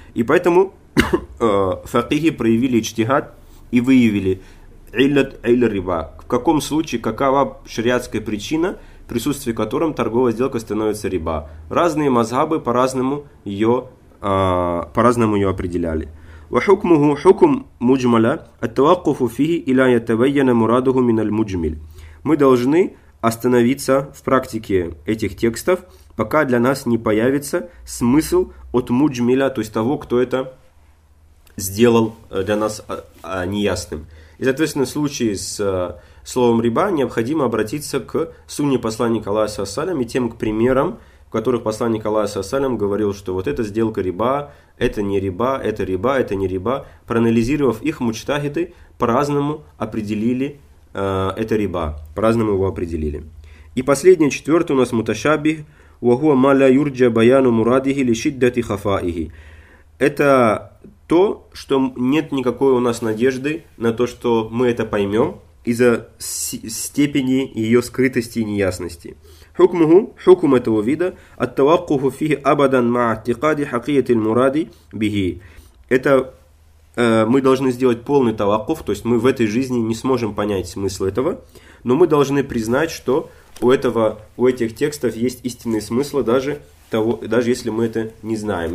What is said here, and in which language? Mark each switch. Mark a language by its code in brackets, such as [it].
[ru] И поэтому фатихи проявили ичтихад и выявили иллат илля риба. В каком случае, какова шариатская причина, присутствие которой торговая сделка становится риба. Разные мазхабы по-разному ее определяли. [ar] وحكمه حكم مجملا التوقف فيه إلى يتبين مراده من المجمل. [ru] Мы должны остановиться в практике этих текстов, пока для нас не появится смысл от муджмила, то есть того, кто это сделал для нас неясным. И, соответственно, в случае с словом риба необходимо обратиться к сунне посланника Аллаха ассалям и тем к примерам, в которых посланник Аллаха ассалям говорил, что вот эта сделка риба, это не риба, это риба, это не риба. Проанализировав их, мучтахиды по-разному определили это риба, по-разному его определили. И последнее, четвертое у нас муташабих, [ar] وهو ما لا يرجى بيان مراده لشدة خفائه. [ru] Это то, что нет никакой у нас надежды на то, что мы это поймем из-за степени ее скрытости и неясности. [ar] حكمه, حكم [ru] этого вида, [ar] التوقف فيه أبدا مع اعتقاد حقية المراد به. [ru] Это мы должны сделать полный таваккуф, то есть мы в этой жизни не сможем понять смысл этого, но мы должны признать, что у этих текстов есть истинный смысл, даже если мы это не знаем.